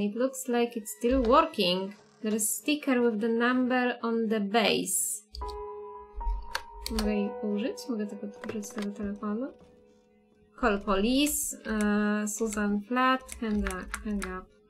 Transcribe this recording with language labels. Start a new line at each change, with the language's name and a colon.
English: It looks like it's still working. There's a sticker with the number on the base.
Polish: Mogę jej użyć? Mogę tylko użyć tego telefonu?
English: Call police, Susan Flat, hang up.